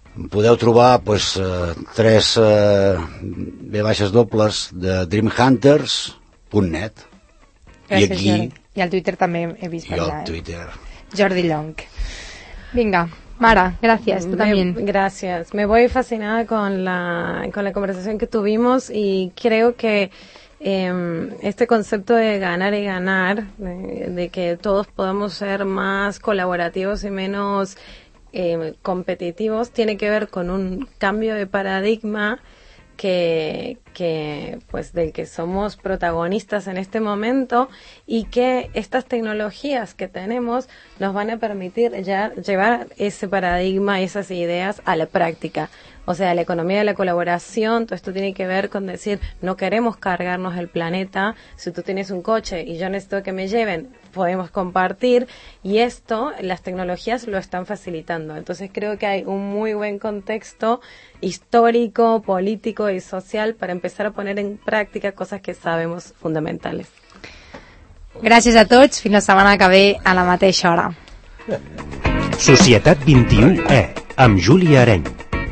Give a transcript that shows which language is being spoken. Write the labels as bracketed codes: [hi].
[ca] Podeu trobar tres baixes dobles de dreamhunters.net. Gràcies, i aquí, Jordi. I al Twitter també he vist per allà. Twitter. Jordi Llong. Vinga, Mara, gràcies, tu també. Gràcies. [es] Me voy fascinada con la conversación que tuvimos y creo que este concepto de ganar y ganar, de que todos podemos ser más colaborativos y menos competitivos, tiene que ver con un cambio de paradigma que del que somos protagonistas en este momento y que estas tecnologías que tenemos nos van a permitir ya llevar ese paradigma y esas ideas a la práctica. O sea, la economía de la colaboración, todo esto tiene que ver con decir, no queremos cargarnos el planeta. Si tú tienes un coche y yo necesito que me lleven, podemos compartir. Y esto, las tecnologías lo están facilitando. Entonces creo que hay un muy buen contexto histórico, político y social para empezar a poner en práctica cosas que sabemos fundamentales. Gracias a todos. [ca] Fin de semana que ve a la mateixa hora. Societat 21E, amb Júlia Arenys.